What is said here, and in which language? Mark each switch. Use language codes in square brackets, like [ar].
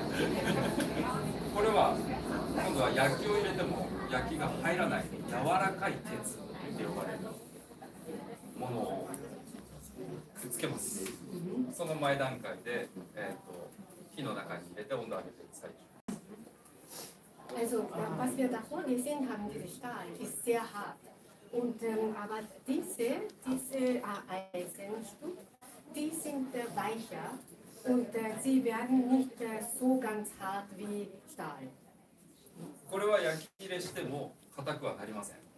[ja] これは今度は焼きを入れても焼きが入らない柔らかい鉄って呼ばれるものをくっつけます。その前段階で、火の中に入れて温度を上げて最中。 [de] Also was wir davor gesehen haben, dieser Stahl ist sehr hart. Und aber diese Eisenstück, die sind weicher und sie werden nicht so ganz hart wie Stahl. [ja] これは焼き入れしても硬くはなりません。